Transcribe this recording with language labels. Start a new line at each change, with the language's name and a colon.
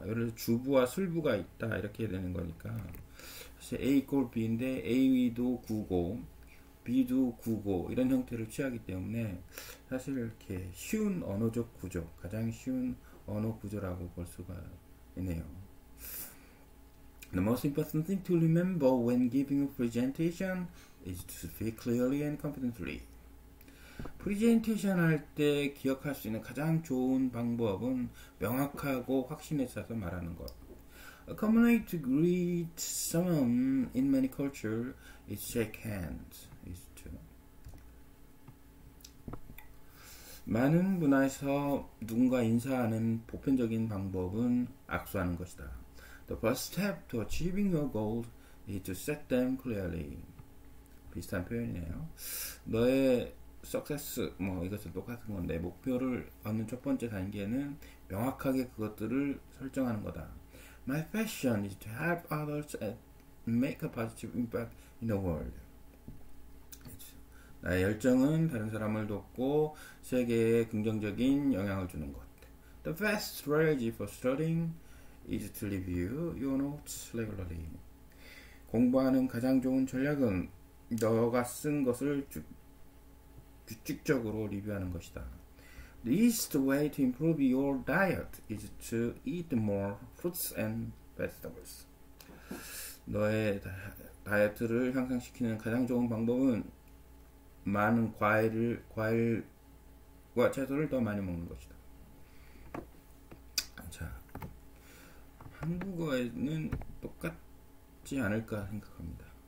Korean: 예를 들어 주부와 술부가 있다 이렇게 되는 거니까 사실 A 골 B인데 A도 구고 B도 구고 이런 형태를 취하기 때문에 사실 이렇게 쉬운 언어적 구조, 가장 쉬운 언어 구조라고 볼 수가 있네요.
English: The most important thing to remember when giving a presentation is to speak clearly and confidently.
Korean: 프리젠테이션 할때 기억할 수 있는 가장 좋은 방법은 명확하고 확신에 차서 말하는 것.
English: A common way to greet someone in many cultures is shake hands.
Korean: 많은 문화에서 누군가 인사하는 보편적인 방법은 악수하는 것이다.
English: The first step to achieving your goals is to set them clearly.
Korean: 비슷한 표현이네요. 너의 success, 뭐 이것은 똑같은 건데 목표를 얻는 첫 번째 단계는 명확하게 그것들을 설정하는 거다.
English: My passion is to help others and make a positive impact in the world.
Korean: 나의 열정은 다른 사람을 돕고 세계에 긍정적인 영향을 주는 것.
English: The best strategy for studying is to review your notes regularly.
Korean: 공부하는 가장 좋은 전략은 너가 쓴 것을 규칙적으로 리뷰하는 것이다.
English: The easiest way to improve your diet is to eat more fruits and vegetables.
Korean: 너의 다이어트를 향상시키는 가장 좋은 방법은 많은 과일과 채소를 더 많이 먹는 것이다. 한국어에는 똑같지 않을까 생각합니다.